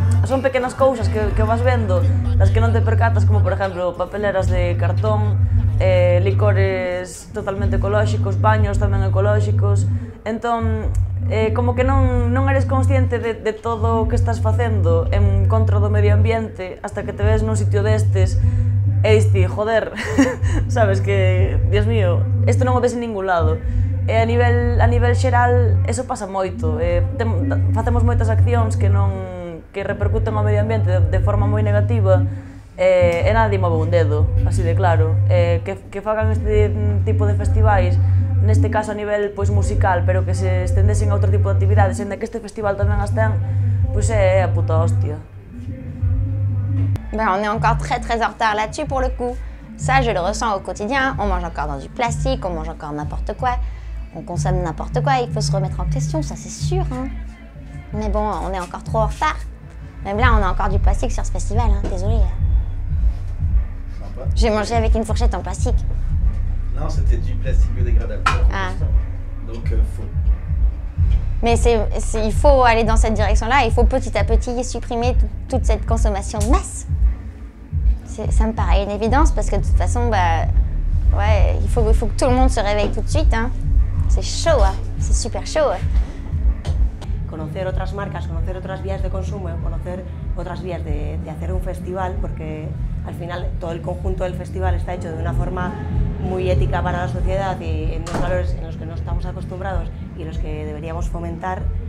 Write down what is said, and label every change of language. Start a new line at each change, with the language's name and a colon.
Galician: Son pequenas cousas que vas vendo, das que non te percatas, como por exemplo papeleras de cartón, licores totalmente ecolóxicos, baños tamén ecolóxicos. Entón, como que non eres consciente de todo o que estás facendo en contra do medio ambiente hasta que te ves nun sitio destes e dices, joder, sabes que, Dios mío, isto non o ves en ningún lado. E a nivel xeral, eso pasa moito. Facemos moitas accións que repercuten ao medio ambiente de forma moi negativa e nadie move un dedo, así de claro. Que fagan este tipo de festivais, neste caso a nivel pois musical, pero que se estendesen a outro tipo de actividades, en de que este festival tamén as ten, pois é a puta hostia.
French: Ben, on est encore très très en retard là-dessus pour le coup. Ça, je le ressens au quotidien. On mange encore dans du plastique, on mange encore n'importe quoi. On consomme n'importe quoi, il faut se remettre en question, ça c'est sûr, hein. Mais bon, on est encore trop en retard. Même là, on a encore du plastique sur ce festival, hein. Désolée. Sympa. J'ai mangé avec une fourchette en plastique. Non, c'était du plastique biodégradable. Ah. Donc, faut. Mais c'est, il faut aller dans cette direction-là, il faut petit à petit supprimer toute cette consommation de masse. Ça me paraît une évidence parce que de toute façon, bah, ouais, il faut que tout le monde se réveille tout de suite, hein. C'est chaud, hein. C'est super chaud. Hein.
Spanish: Conocer otras marcas, conocer otras vías de consumo, conocer otras vías de hacer un festival, porque al final todo el conjunto del festival está hecho de una forma muy ética para la sociedad y en los valores en los que no estamos acostumbrados y los que deberíamos fomentar.